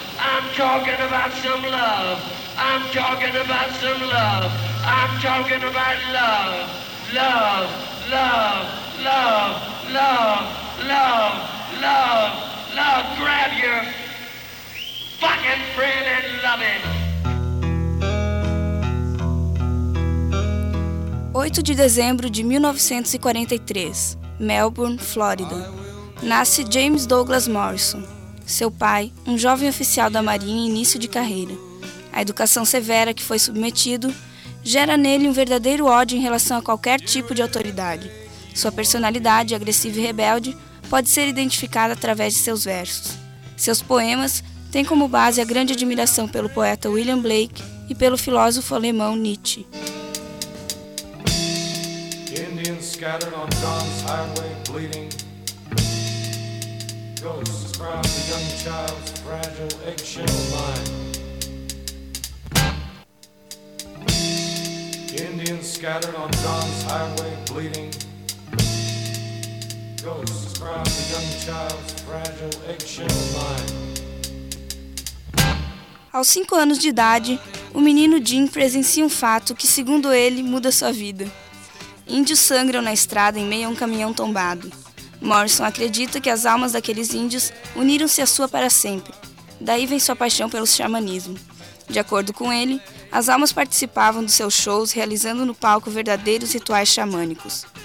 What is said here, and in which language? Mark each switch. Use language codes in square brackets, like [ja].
[en] I'm talking about some love. I'm talking about some love. I'm talking about love. Love. love, love, love, love, love, love. Grab your fucking friend and love it. [pt] 8 de dezembro de 1943, Melbourne, Flórida. Nasce James Douglas Morrison. Seu pai, um jovem oficial da Marinha em início de carreira. A educação severa que foi submetido gera nele um verdadeiro ódio em relação a qualquer tipo de autoridade. Sua personalidade agressiva e rebelde pode ser identificada através de seus versos. Seus poemas têm como base a grande admiração pelo poeta William Blake e pelo filósofo alemão Nietzsche. [en] Indians scattered on John's highway, bleeding. Ghosts crowd the young child's fragile eggshell mind. Indians scattered on John's highway, bleeding. Ghosts crowd the young child's fragile eggshell mind. [pt] Aos 5 anos de idade, o menino Jim presencia um fato que, segundo ele, muda sua vida. Índios sangram na estrada em meio a um caminhão tombado. Morrison acredita que as almas daqueles índios uniram-se à sua para sempre. Daí vem sua paixão pelo xamanismo. De acordo com ele, as almas participavam dos seus shows realizando no palco verdadeiros rituais xamânicos.